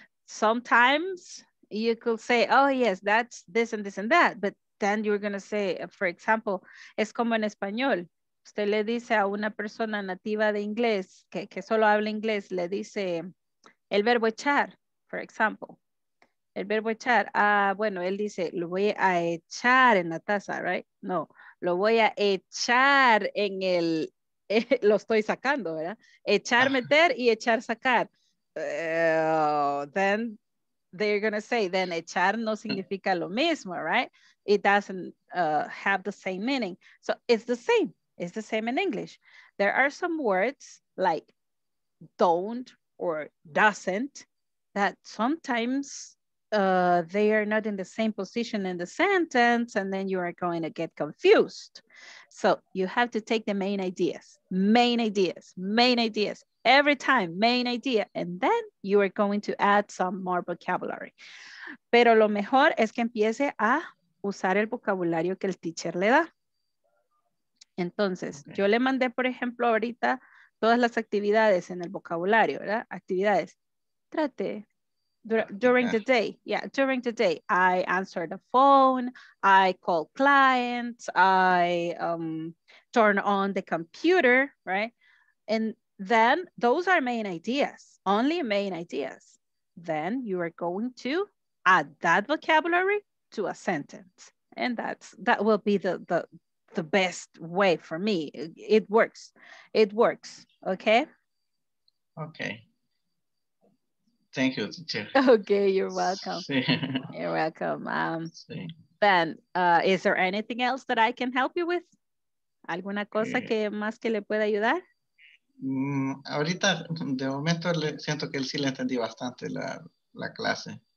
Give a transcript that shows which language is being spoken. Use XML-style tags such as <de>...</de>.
<en>Sometimes you could say, oh, yes, that's this and this and that. But then you're going to say, for example,</en> <es>es como en español. Usted le dice a una persona nativa de inglés que solo habla inglés, le dice el verbo echar,</es> <en>for example.</en> <es>El verbo echar, bueno, él dice, lo voy a echar en la taza, right? No, lo voy a echar en el, lo estoy sacando, ¿verdad? Echar, meter y echar, sacar.</es> <en>Then they're going to say, then echar</en> <es>no significa lo mismo,</es> <en>right? It doesn't have the same meaning. So it's the same in English. There are some words like don't or doesn't that sometimes... they are not in the same position in the sentence, and then you are going to get confused. So you have to take the main ideas, every time, main idea, and then you are going to add some more vocabulary.</en> <es>Pero lo mejor es que empiece a usar el vocabulario que el teacher le da. Entonces, okay. Yo le mandé, por ejemplo, ahorita todas las actividades en el vocabulario, ¿verdad? Actividades. Trate.</es> <en>During the day, yeah, during the day, I answer the phone, I call clients, I turn on the computer, right? And then those are main ideas, only main ideas. Then you are going to add that vocabulary to a sentence. And that will be the best way for me. It works, okay? Okay. Thank you, teacher. Okay, you're welcome. Sí. You're welcome. Sí. Ben, is there anything else that I can help you with?</en> <es>¿Alguna cosa que más que le pueda ayudar? Ahorita, de momento, siento que él sí le entendí bastante la clase.</es>